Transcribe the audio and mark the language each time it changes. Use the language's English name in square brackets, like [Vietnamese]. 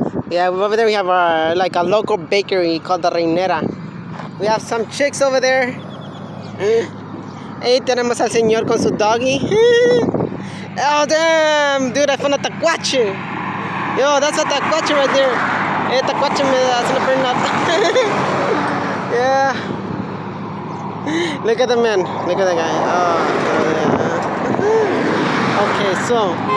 [English] Yeah, over there we have our, like a local bakery called the Reinera. We have some chicks over there. [Spanish] Hey, tenemos al señor con su doggy. [English] Oh damn, dude, I found a tacuache. Yo, that's a tacuache right there. Hey, tacuache me that's gonna burn up. Yeah. Look at the man. Look at the guy. Oh, yeah. Okay, so.